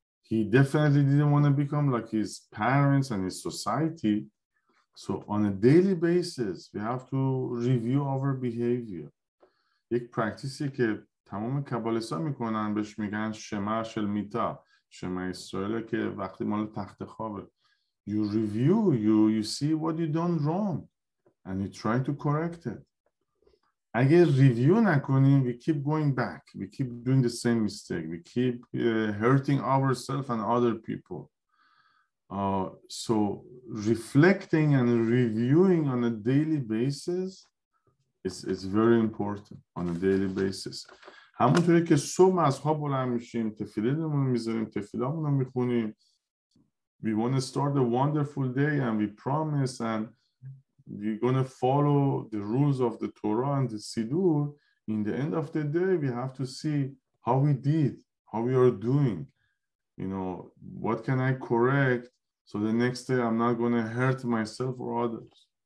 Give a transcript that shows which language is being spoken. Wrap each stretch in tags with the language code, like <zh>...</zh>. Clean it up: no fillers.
<en>He definitely didn't want to become like his parents and his society. So on a daily basis, we have to review our behavior.</en> <fa>یک پرکتیسی که تمام کابالیست‌ها میکنن بهش میگن شمع شل میتا، شمع اسرائیل، که وقتی مال تخت خوابه.</fa> <en>You review, you see what you done wrong. And you try to correct it.</en> <fa>اگه ریویو نکنیم،</fa> <en>we keep going back. We keep doing the same mistake. We keep hurting ourselves and other people. So reflecting and reviewing on a daily basis is very important on a daily basis.</en> <fa>همونطوری که صبح از خواب بلند میشیم، تفیلینمون میذاریم، تفیلامون رو میخونیم.</fa> <en>We want to start a wonderful day and we promise and we're going to follow the rules of the Torah and the Siddur. In the end of the day, we have to see how we did, how we are doing. You know, what can I correct so the next day I'm not going to hurt myself or others?</en>